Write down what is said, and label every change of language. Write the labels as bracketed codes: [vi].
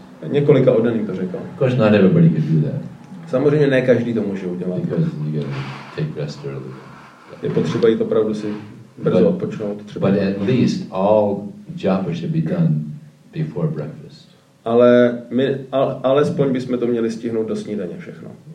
[cs] Několika oddaných to řekl. [en] Because not everybody can do that. [cs] Samozřejmě ne každý to může udělat. [en] Take rest early. [cs] Je potřeba jít opravdu si brzo odpočnout. [en] But at least all japa should be done before breakfast. [cs] Ale my alespoň bychom to měli stihnout do snídaně všechno.